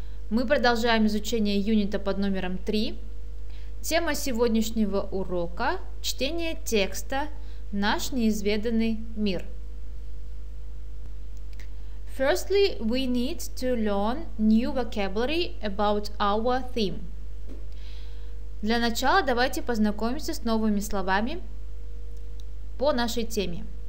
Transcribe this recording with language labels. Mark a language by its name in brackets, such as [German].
[Russian] Мы продолжаем изучение юнита под номером 3. Тема сегодняшнего урока – чтение текста «Наш неизведанный мир». [English] Firstly, we need to learn new vocabulary about our theme. [Russian] Для начала давайте познакомимся с новыми словами по нашей теме.